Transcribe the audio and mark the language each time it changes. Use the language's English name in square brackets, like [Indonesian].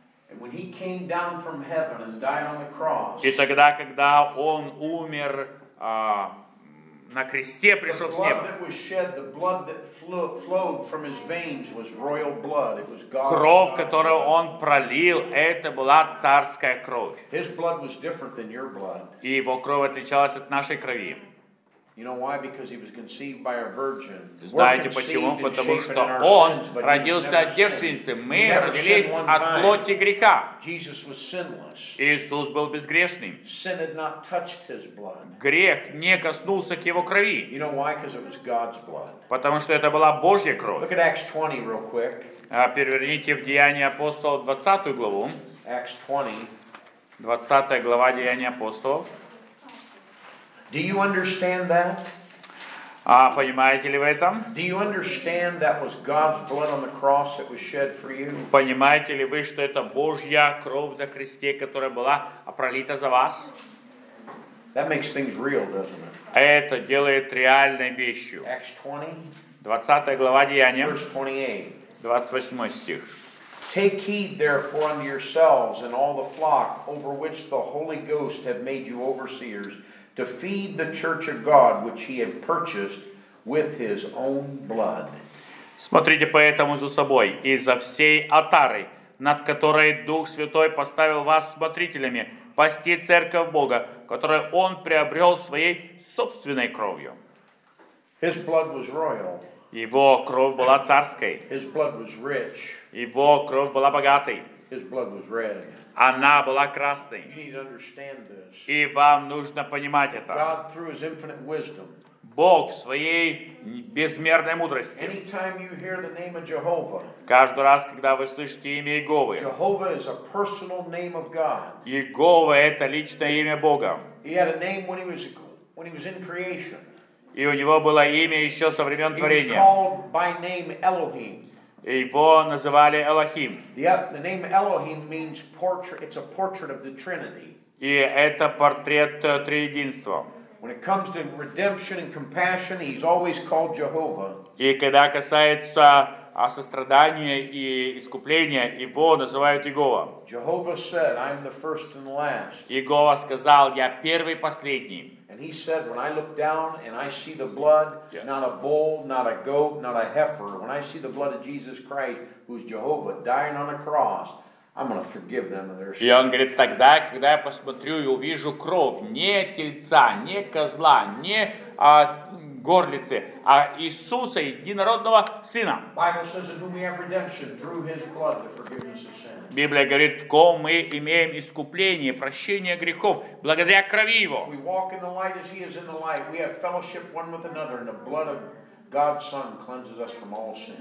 [English] And when he came down from heaven and died on the cross. [Russian] И тогда, когда он умер на кресте, пришел с неба. [English] The blood that was shed, the blood that flowed from his veins was royal blood. It was God. [Russian] Кровь, которую он пролил, это была царская кровь. [English] His blood was different than your blood. [Russian] И его кровь отличалась от нашей крови. [English] You know why? Because he was conceived by a virgin. [Russian] Знаете почему? Потому что он родился от девственницы. Мы родились от плоти греха. [English] Jesus was sinless. [Russian] Иисус был безгрешным. [English] Sin had not touched his blood. [Russian] Грех не коснулся к его крови. [English] You know why? Because it was God's blood. [Russian] Потому что это была Божья кровь. [English] Look at Acts 20 real quick. [Russian] Переверните в Деяния апостолов 20 главу. [English] Acts 20. [Russian] 20 глава Деяния апостолов. [English] Do you understand that? [Russian] Понимаете ли вы это? [English] Do you understand that was God's blood on the cross that was shed for you? [Russian] Понимаете ли вы, что это Божья кровь на кресте, которая была пролита за вас? [English] That makes things real, doesn't it? [Russian] Это делает реальной вещью. [English] Acts 20. [Russian] 20 глава Деяния. [English] Verse 28. [Russian] 28 стих. [English] Take heed therefore unto yourselves and all the flock over which the Holy Ghost hath made you overseers, to feed the church of God, which he had purchased with his own blood. [Russian] Смотрите поэтому за собой и за всей отарой, над которой Дух Святой поставил вас смотрителями, пасти церковь Бога, которую он приобрел своей собственной кровью. [English] His blood was royal. [Russian] Его кровь была царской. [English] His blood was rich. [Russian] Его кровь была богатой. [English] His blood was red. [Russian] Она была красной. [English] You need to understand this. [Russian] И вам нужно понимать это. [English] God, through his infinite wisdom, [Russian] Бог в своей безмерной мудрости. [English] Anytime you hear the name of Jehovah. [Russian] Каждый раз, когда вы слышите имя Иеговы. [English] Jehovah is a personal name of God. [Russian] Иегова это личное имя Бога. [English] He had a name when he was in creation. [Russian] И у него было имя еще со времен творения. [English] He was called by name Elohim. [Russian] Его называли Элохим. [English] The name Elohim means portrait. It's a portrait of the Trinity. [Russian] И это портрет Триединства. [English] When it comes to redemption and compassion, he's always called Jehovah. [Russian] И когда касается сострадания и искупления, его называют Иегова. [English] Jehovah said, "I'm the first and the last." [Russian] Иегова сказал, я первый и последний. [English] And he said, "When I look down and I see the blood, not a bull, not a goat, not a heifer, when I see the blood of Jesus Christ, who's Jehovah, dying on a cross." I'm going to forgive them of their sin. [Russian] И он говорит, тогда, когда я посмотрю и увижу кровь не тельца, не козла, не горлицы, а Иисуса, единородного Сына. Библия говорит, в ком мы имеем искупление, прощение грехов, благодаря крови Его. [English] If we walk in the light as He is in the light, we have fellowship one with another in the blood of God's Son cleanses us from all sin.